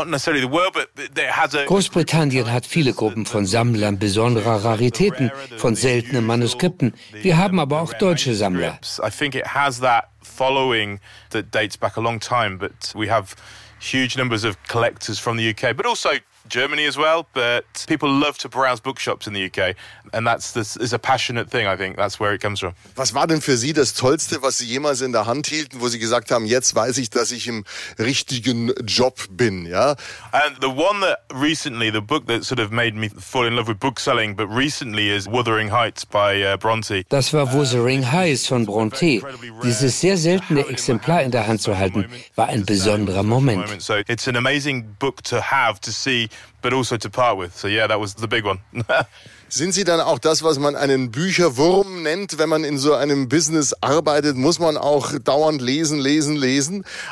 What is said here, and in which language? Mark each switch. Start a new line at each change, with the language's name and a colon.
German: Großbritannien hat viele Gruppen von Sammlern besonderer Raritäten, von seltenen Manuskripten. Wir haben aber auch deutsche Sammler.
English: I think it has that following that dates back a long time, but we have huge numbers of collectors from the UK, but also Germany as well, but people love to browse bookshops in the UK, and that's this is a passionate thing. I think that's where it comes from.
German: Was war denn für Sie das Tollste, was Sie jemals in der Hand hielten, wo Sie gesagt haben, jetzt weiß ich, dass ich im richtigen Job bin, ja?
English: And the one that recently, the book that sort of made me fall in love with bookselling, but recently is Wuthering Heights by Bronte.
German: Das war Wuthering Heights von Bronte. Dieses sehr seltene Exemplar in der Hand zu halten, war ein besonderer Moment.
English: So it's an amazing book to have to see. But also to part with. So yeah, that was the big one.
German: Sind Sie dann auch das, was man einen Bücherwurm nennt, wenn man in so einem Business arbeitet? Muss man auch dauernd lesen, lesen, lesen?